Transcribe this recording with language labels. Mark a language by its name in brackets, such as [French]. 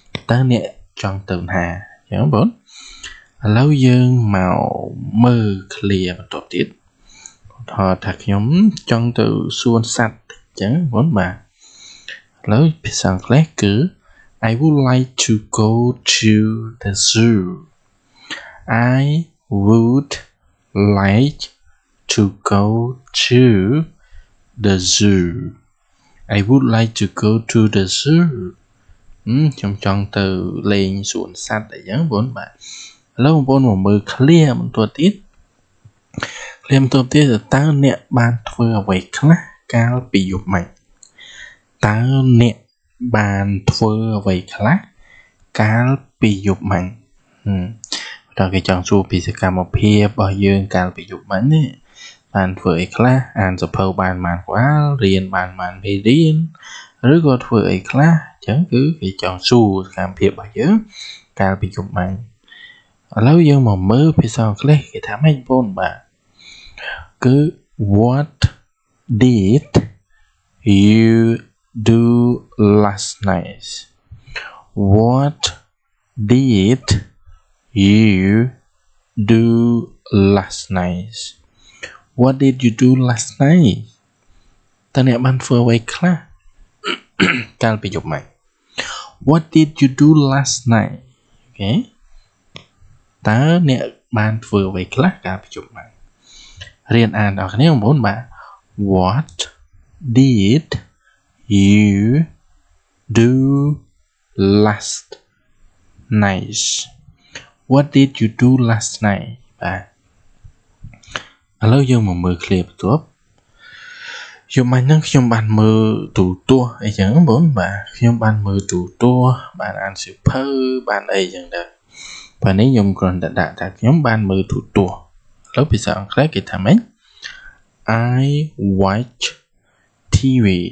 [Khmer] តើអ្នកចង់ទៅណាអញ្ចឹងបងឥឡូវយើងមកមើលឃ្លាបន្តទៀតថាថាខ្ញុំចង់ទៅសួនសត្វអញ្ចឹងបងបាទឥឡូវភាសាអង់គ្លេសគឺ [English] I would like to go to the zoo. I would like to go to the zoo. I would like to go to the zoo. [Khmer] ខ្ញុំចង់ទៅលេងសួនសត្វអញ្ចឹងបងបាទឥឡូវបងប្អូនមកមើលឃ្លាបន្តទៀតឃ្លាបន្តទៀតថាតើអ្នកបានធ្វើអ្វីខ្លះកាលពីយប់មិញតើអ្នកបានធ្វើអ្វីខ្លះកាលពីយប់មិញ ដល់គេចង់សួរពីសកម្មភាពរបស់យើងកាលពីយប់មិញនេះបានធ្វើអ្វីខ្លះអានសៀវភៅបានប៉ុន្មានរៀនបានប៉ុន្មានពេលរៀនឬក៏ធ្វើអ្វីខ្លះអញ្ចឹងគឺគេចង់សួរសកម្មភាពរបស់យើងកាលពីយប់មិញឥឡូវយើងមកមើលភាសាអង់គ្លេសគេថាម៉េចបងបាទគឺ [English] What did you do last night? What did you do last night? What did you do last night? [Khmer] តើអ្នកបានធ្វើអ្វីខ្លះកាលពីយប់មិញ [English] What did you do last night? Okay? [Khmer] តើអ្នកបានធ្វើអ្វីខ្លះកាលពីយប់មិញរៀនអានដល់គ្នាបងប្អូនបាទ [English] What did you do last night? What did you do last night? [Khmer] បាទឥឡូវយើងមកមើលឃ្លាបន្ទាប់យប់មិញហ្នឹងខ្ញុំបានមើលទូទស្សន៍អីចឹងបងប្អូនបាទខ្ញុំបានមើលទូទស្សន៍បានអានសៀវភៅបានអីចឹងដែរបាទនេះខ្ញុំគ្រាន់តែដាក់ថាខ្ញុំបានមើលទូទស្សន៍ឥឡូវភាសាអង់គ្លេសគេថាម៉េច [English] I watch TV